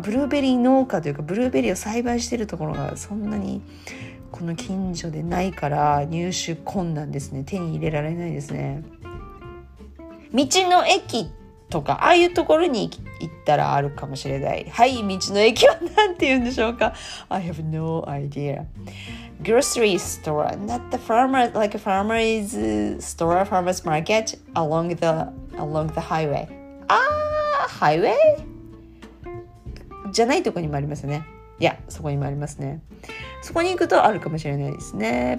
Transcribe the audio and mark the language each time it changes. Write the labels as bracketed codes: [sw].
[ja] ブルーベリー農家というかブルーベリーを栽培しているところがそんなにこの近所でないから入手困難ですね。手に入れられないですね。道の駅とかああいうところに行ったらあるかもしれない。はい、道の駅はなんて言うんでしょうか。 [en] I have no idea. Grocery store, not the farmer, like a farmer's store, farmer's market along the highway. Ah, highway? [ja] じゃないとこにもありますね。いや、そこにもありますね。そこに行くとあるかもしれないですね。